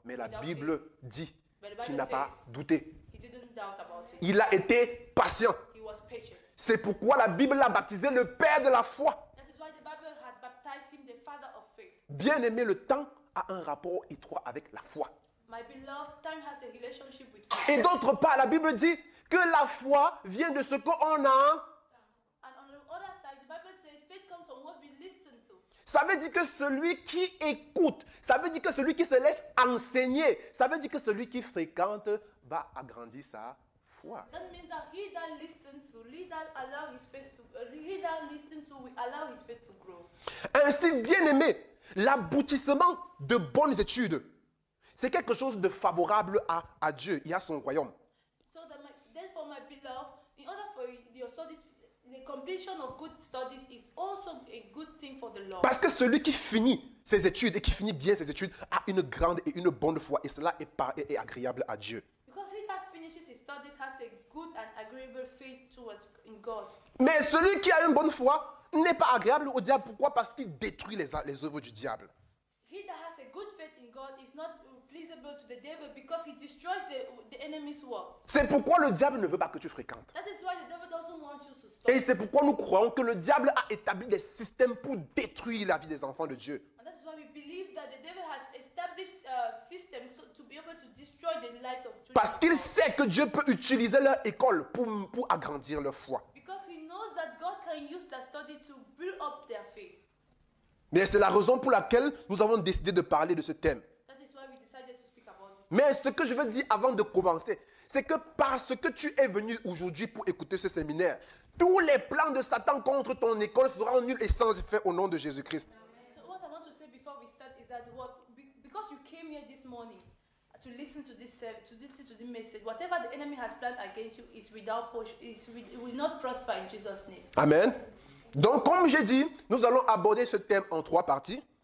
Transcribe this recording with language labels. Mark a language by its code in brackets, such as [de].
[fr] Mais la Bible dit qu'il n'a pas douté. Il a été patient. C'est pourquoi la Bible l'a baptisé le père de la foi. [en] That is why the Bible had baptized him the father of faith. [fr] Bien aimé, le temps a un rapport étroit avec la foi. [en] My beloved, time has a relationship with faith. [fr] Et d'autre part, la Bible dit que la foi vient de ce qu'on a. [en] And on the other side, the Bible says faith comes from what we listen to. [fr] Ça veut dire que celui qui écoute, ça veut dire que celui qui se laisse enseigner, ça veut dire que celui qui fréquente va agrandir sa foi. [en] That means that he that listens to, he that allow his faith to, he that listens to, we allow his faith to grow. [fr] Ainsi, bien aimé, l'aboutissement de bonnes études, c'est quelque chose de favorable à Dieu et à son royaume. [en] So that my, therefore, my beloved, in order for your studies, the completion of good studies is also a good thing for the Lord. [fr] Parce que celui qui finit ses études et qui finit bien ses études a une grande et une bonne foi, et cela est agréable à Dieu. [en] Because he that finishes his studies has a good and agreeable faith towards in God. [fr] Mais celui qui a une bonne foi n'est pas agréable au diable. Pourquoi? Parce qu'il détruit les œuvres du diable. [en] He that has a good faith in God is not pleasable to the devil because he destroys the enemy's works. [fr] C'est pourquoi le diable ne veut pas que tu fréquentes. [en] That is why the devil doesn't want you to study. [fr] Et c'est pourquoi nous croyons que le diable a établi des systèmes pour détruire la vie des enfants de Dieu. [en] And that is why we believe that the devil has established systems so to be able to destroy the light of truth. [fr] Parce qu'il sait que Dieu peut utiliser leur école pour agrandir leur foi. [en] Because he knows that God can use that study to build up their faith. [fr] Mais c'est la raison pour laquelle nous avons décidé de parler de ce thème. [en] That is why we decided to speak about this. [fr] Mais ce que je veux dire avant de commencer, c'est que parce que tu es venu aujourd'hui pour écouter ce séminaire, tous les plans de Satan contre ton école seront nuls et sans effet au nom de Jésus-Christ. [en] So what I want to say before we start is that what, because you came here this morning to listen to this message, whatever the enemy has planned against you is without push, is will not prosper in Jesus' name. Amen. [fr] Donc, comme j'ai dit, nous allons aborder ce thème en trois parties.